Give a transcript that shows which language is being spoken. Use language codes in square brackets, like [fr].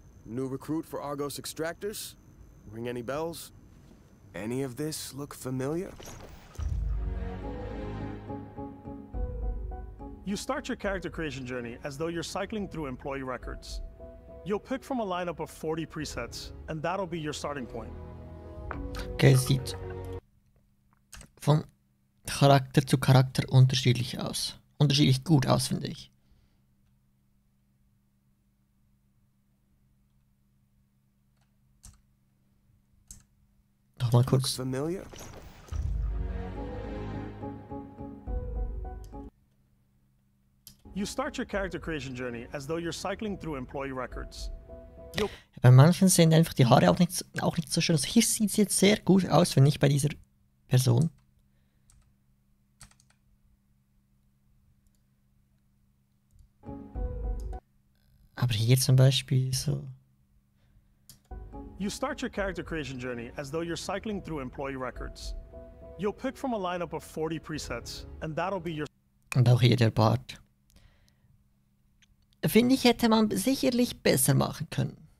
[en] New recruit for Argos Extractors? Ring any bells? Any of this look familiar? You start your character creation journey as though you're cycling through employee records. You'll pick from a lineup of 40 presets, and that'll be your starting point. [de] Okay, sieht von Charakter zu Charakter unterschiedlich aus. Unterschiedlich gut aus, finde ich. Nochmal kurz. [en] You start your character creation journey as though you're cycling through employee records. [de] Bei manchen sehen einfach die Haare auch nicht so schön aus. Hier sieht sie jetzt sehr gut aus, finde ich, bei dieser Person. Aber hier zum Beispiel so. [en] You start your character creation journey as though you're cycling through employee records. You'll pick from a lineup of 40 presets, and that'll be your. [de] Und auch hier der Bart. Finde ich, hätte man sicherlich besser machen können.